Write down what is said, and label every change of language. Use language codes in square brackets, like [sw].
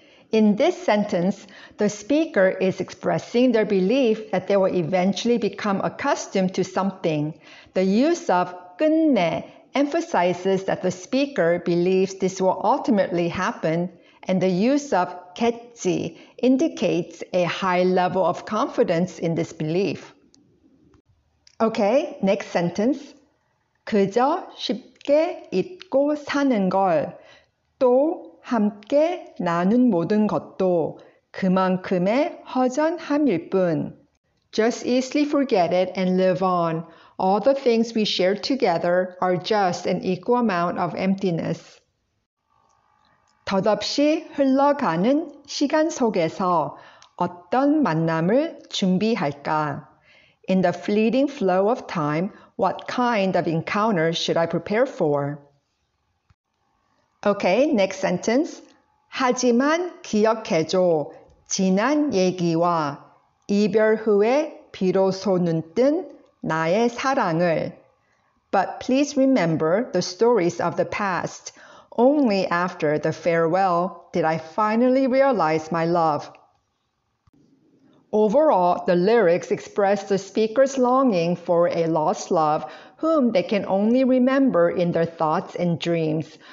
[en] In this sentence, the speaker is expressing their belief that they will eventually become accustomed to something. The use of 끝내 emphasizes that the speaker believes this will ultimately happen, and the use of 겠지 indicates a high level of confidence in this belief. Okay, next sentence. [ko] 그저 쉽게 잊고 사는 걸 또 함께 나눈 모든 것도 그만큼의 허전함일 뿐. [en] Just easily forget it and live on. All the things we share together are just an equal amount of emptiness. [ko] 덧없이 흘러가는 시간 속에서 어떤 만남을 준비할까? [en] In the fleeting flow of time, what kind of encounter should I prepare for? Okay, next sentence. [ko] 하지만 기억해줘. 지난 얘기와 이별 후에 비로소 눈뜬 나의 사랑을. [en] But please remember the stories of the past. Only after the farewell did I finally realize my love. Overall, the lyrics express the speaker's longing for a lost love whom they can only remember in their thoughts and dreams.